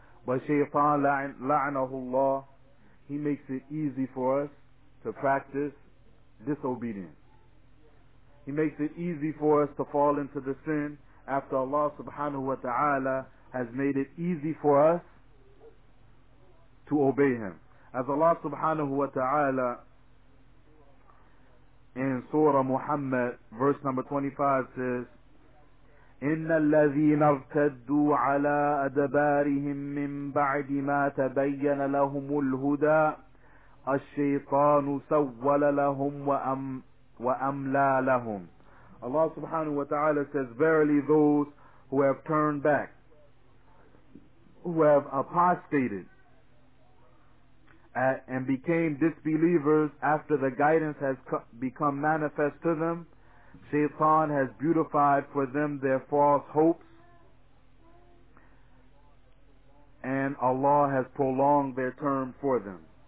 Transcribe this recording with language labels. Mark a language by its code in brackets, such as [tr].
[en] But shaytan la'anahu Allah, he makes it easy for us to practice disobedience. He makes it easy for us to fall into the sin after Allah subhanahu wa ta'ala has made it easy for us to obey Him. As Allah subhanahu wa ta'ala in Surah Muhammad, verse number 25 says, [ar] إِنَّ الَّذِينَ ارْتَدُّوا عَلَىٰ أَدَبَارِهِمْ مِنْ بَعْدِ مَا تَبَيَّنَ لَهُمُ الْهُدَىٰ الشَّيْطَانُ سَوَّلَ لَهُمْ وَأَمْلَىٰ لَهُمْ. [en] Allah subhanahu wa ta'ala says, verily those who have turned back, who have apostated and became disbelievers after the guidance has become manifest to them, Shaitan has beautified for them their false hopes, and Allah has prolonged their term for them.